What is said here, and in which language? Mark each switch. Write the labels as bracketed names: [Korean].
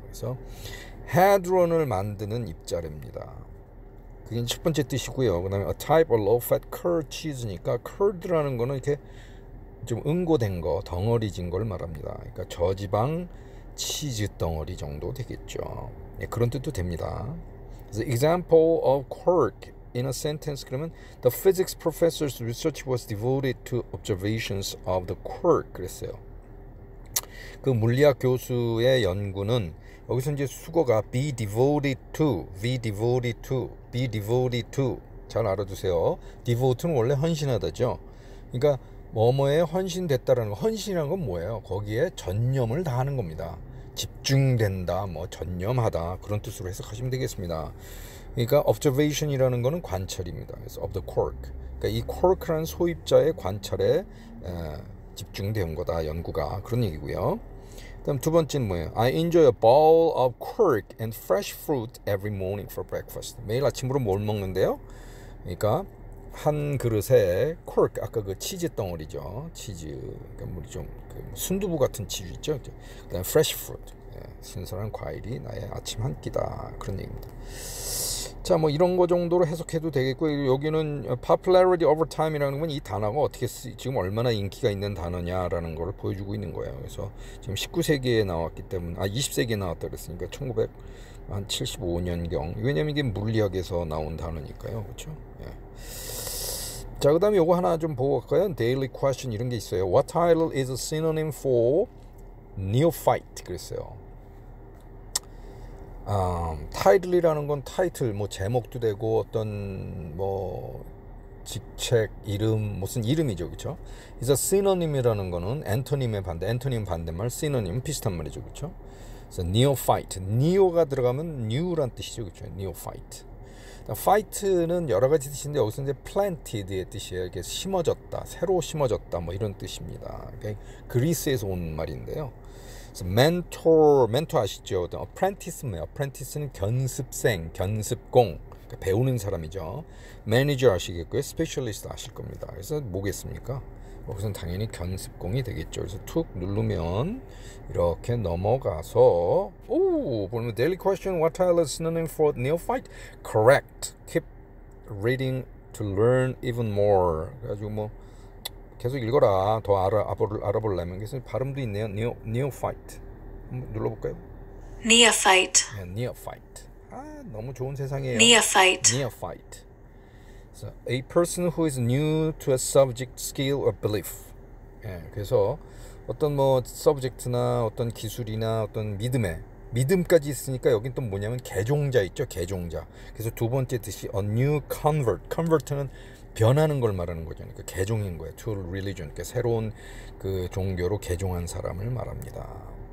[Korean] 그래서 hadron을 만드는 입자랍니다. 그게 첫 번째 뜻이고요. 그다음에 [English] a type of low fat curd cheese [Korean] 니까 curd라는 거는 이렇게 좀 응고된 거, 덩어리진 걸 말합니다. 그러니까 저지방 치즈 덩어리 정도 되겠죠. 예, 그런 뜻도 됩니다. [English] The example of quirk in a sentence [Korean] 그러면 [English] the physics professor's research was devoted to observations of the quirk 그랬어요. [Korean] 그 물리학 교수의 연구는 여기서 이제 수거가 [English] be devoted to, be devoted to, [Korean] be devoted to 잘 알아두세요. devote는 원래 헌신하다죠. 그러니까 뭐뭐에 헌신됐다라는 거, 헌신이란 건 뭐예요? 거기에 전념을 다하는 겁니다. 집중된다, 뭐 전념하다 그런 뜻으로 해석하시면 되겠습니다. 그러니까 observation이라는 거는 관찰입니다. 그래서 [English] of the quark. [Korean] 그러니까 이 quark라는 소입자의 관찰에 집중된 거다, 연구가. 그런 얘기고요. 다음 두 번째는 뭐예요? [English] I enjoy a bowl of quark and fresh fruit every morning for breakfast. [Korean] 매일 아침으로 뭘 먹는데요? 그러니까 한 그릇에 quark, 아까 그 치즈 덩어리죠. 치즈, 그러니까 물이 좀 그 순두부 같은 치즈 있죠. 그다음 fresh fruit, 예, 신선한 과일이 나의 아침 한 끼다. 그런 얘기입니다. 자, 뭐 이런 거 정도로 해석해도 되겠고요. 여기는 popularity over time이라는 건 이 단어가 어떻게 지금 얼마나 인기가 있는 단어냐라는 걸 보여주고 있는 거예요. 그래서 지금 19세기에 나왔기 때문에, 아 20세기에 나왔다 그랬으니까 1975년경. 왜냐면 이게 물리학에서 나온 단어니까요. 그렇죠? 예. 자, 그 다음에 요거 하나 좀 보고 갈까요? Daily question 이런 게 있어요. [English] What title is a synonym for neophyte? [Korean] 그랬어요. 타이틀이라는 건 타이틀, 뭐 제목도 되고 어떤 뭐 직책, 이름, 무슨 이름이죠. 그쵸? Is a synonym이라는 거는 antonym의 반대, antonym 반대말, synonym 비슷한 말이죠. 그쵸? [English] So neophyte. [Korean] neo가 들어가면 new란 뜻이죠. 그쵸? neophyte. Fight는 여러 가지 뜻인데 여기서 이제 planted의 뜻이에요. 이게 심어졌다, 새로 심어졌다, 뭐 이런 뜻입니다. 그리스에서 온 말인데요. mentor 아시죠? apprentice는 뭐예요? apprentice는 견습생, 견습공, 그러니까 배우는 사람이죠. manager 아시겠고요. specialist 아실 겁니다. 그래서 뭐겠습니까? 여기서는 당연히 견습공이 되겠죠. 그래서 툭 누르면 이렇게 넘어가서 오! 보면 [English] daily question, what title is synonym for neophyte? correct. keep reading to learn even more. [Korean] 그래가지고 뭐 계속 읽어라. 더 알아보려면. 그래서 발음도 있네요. neophyte. 한번 눌러볼까요? [English] neophyte. Yeah, neophyte. [Korean] 아, 너무 좋은 세상이에요. [English] neophyte. neophyte. So, a person who is new to a subject, skill, or belief. [Korean] 예, 그래서 어떤 뭐 subject나 어떤 기술이나 어떤 믿음에 믿음까지 있으니까 여긴 또 뭐냐면 개종자 있죠. 개종자. 그래서 두 번째 뜻이 [English] a new convert. [Korean] convert는 변하는 걸 말하는 거죠. 그러니까 개종인 거예요. [English] to religion. [Korean] 그러니까 새로운 그 종교로 개종한 사람을 말합니다.